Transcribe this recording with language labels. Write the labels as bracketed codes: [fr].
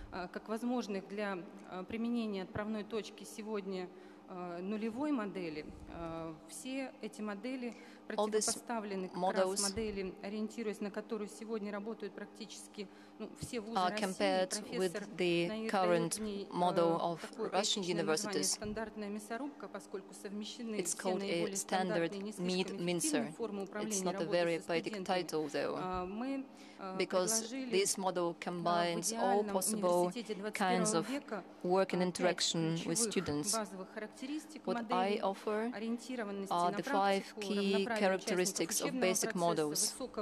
[ru] как возможных для применения отправной точки сегодня нулевой модели, все эти модели противопоставлены как раз модели, ориентируясь на которую сегодня работают практически все вузы России. [en] Compared with the current model of Russian universities, [ru] стандартная мясорубка, поскольку совмещены все наиболее стандартные низкоэффективные формы управления работой со студентами. Мы [en] because this model combines all possible kinds of work and interaction with students. What I offer are the five key characteristics of basic models.